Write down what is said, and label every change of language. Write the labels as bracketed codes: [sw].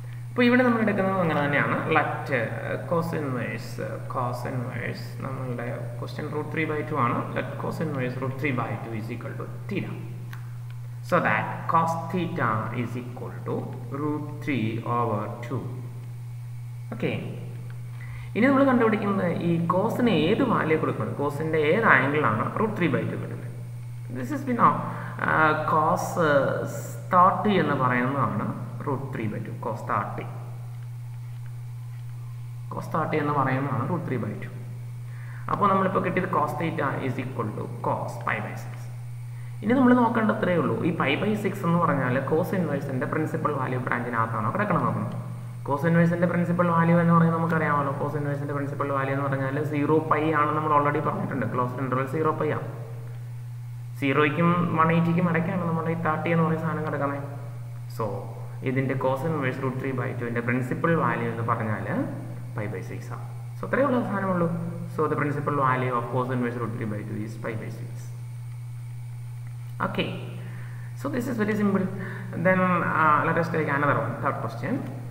[ml] ഇപ്പോൾ ഇവിടെ നമ്മൾ എടുക്കുന്നത് അങ്ങനെ തന്നെയാണ്. [en] let cos inverse [ml] നമ്മളുടെ ക്വസ്റ്റ്യൻ റൂട്ട് 3 ബൈ 2 ആണ്. [en] Let cos inverse root 3 by 2 is equal to theta. So that cos theta is equal to root 3 over 2. Okay. [ml] ഇനി നമ്മൾ കണ്ടുപിടിക്കുന്നത് ഈ കോസിന് ഏത് വാല്യൂ കൊടുക്കുന്നത് കോസിൻ്റെ ഏത് ആംഗിളാണ് റൂട്ട് 3 ബൈ 2 കിട്ടുന്നത്. [en] this is be know cos 30 [ml] എന്ന് പറയുന്നതാണ് റൂട്ട് 3 ബൈ 2. കോസ് 30 എന്ന് പറയുന്നതാണ് റൂട്ട് 3 ബൈ 2. അപ്പോൾ നമ്മളിപ്പോൾ കിട്ടിയത് [en] Cos theta is equal to cos pi by 6. [ml] ഇനി നമ്മൾ നോക്കേണ്ട അത്രേ ഉള്ളൂ ഈ പൈ ബൈ 6 എന്ന് പറഞ്ഞാൽ കോസ് ഇൻവേഴ്സിൻ്റെ പ്രിൻസിപ്പൽ വാല്യൂ ബ്രാഞ്ചിനകത്താണോ കിടക്കണം നോക്കുന്നത്. കോസ് ഇൻവേഴ്സിൻ്റെ പ്രിൻസിപ്പൽ വാല്യൂ എന്ന് പറയുന്നത് നമുക്കറിയാമല്ലോ കോസ് ഇൻവേഴ്സിൻ്റെ പ്രിൻസിപ്പൽ വാല്യൂ എന്ന് പറഞ്ഞാൽ 0π ആണ്. നമ്മൾ ഓൾറെഡി പറഞ്ഞിട്ടുണ്ട് ക്ലോസ് ഇൻ്റർവൽ 0π ആണ്. 0 180 ഇടയ്ക്കാണ് നമ്മുടെ ഈ 30 എന്ന് പറയുന്ന സാധനം കിടക്കണേ. സോ ഇതിൻ്റെ cos inverse root 3 by 2 principal value എന്ന് പറഞ്ഞാൽ പൈ ബൈ 6 ആണ്. സോ അത്രേ ഉള്ള സാധനമുള്ളൂ. [en] So the principal value of cos inverse root 3 by 2 is pi by 6. Okay, so this is very simple. Then let us take another one, third question.